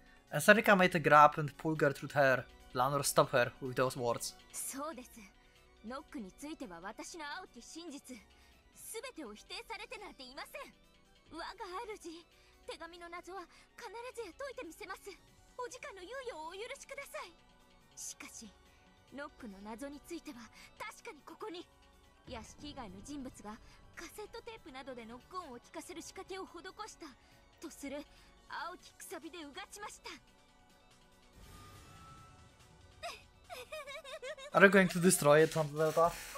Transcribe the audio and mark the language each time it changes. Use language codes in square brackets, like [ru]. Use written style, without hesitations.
[en] As Erika made a grab and pulled Gertrude's hair, Lanor stopped her with those words. [ja] そうです。ノックについては私の青き真実、全てを否定されてなんていません。我が主、手紙の謎は必ずや解いてみせます。おじかの猶予をお許しください。しかし、ノックの謎については確かにここに屋敷以外の人物がカセットテープなどでノックを聞かせる仕掛けを施したとする青き草びでうがちました。 [en] Are you going to destroy it, Tante Delta?